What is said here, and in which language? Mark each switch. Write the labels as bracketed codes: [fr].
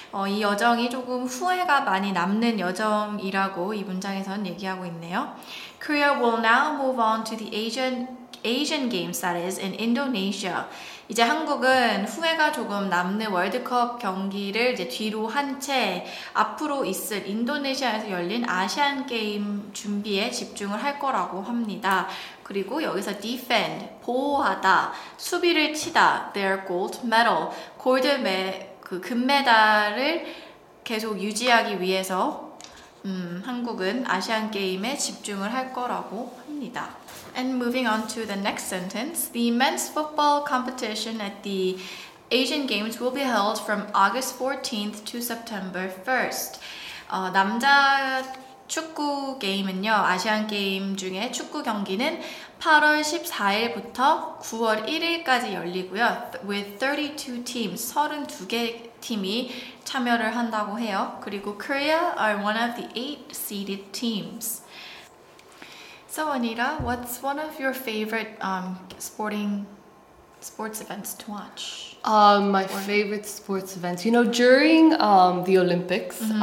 [ko] 이 여정이 조금 후회가 많이 남는 여정이라고 이 문장에서는 얘기하고 있네요. [en] Korea will now move on to the Asian Games, that is, in Indonesia. [ko] 이제 한국은 후회가 조금 남는 월드컵 경기를 이제 뒤로 한 채 앞으로 있을 인도네시아에서 열린 아시안 게임 준비에 집중을 할 거라고 합니다. 그리고 여기서 defend, 보호하다, 수비를 치다, [en] their gold medal, [ko] 금메달을 계속 유지하기 위해서 한국은 아시안 게임에 집중을 할 거라고 합니다. [en] And moving on to the next sentence, the men's football competition at the Asian Games will be held from August 14th to September 1st. [ko] 남자 축구 게임은요, 아시안 게임 중에 축구 경기는 8월 14일부터 9월 1일까지 열리고요. [en] With 32 teams, [ko] 32개 팀이 참여를 한다고 해요. 그리고 [en] Korea are one of the 8 seeded teams. So Anita, what's one of your favorite sports events to watch? My favorite sports events. You know, during the Olympics, mm-hmm.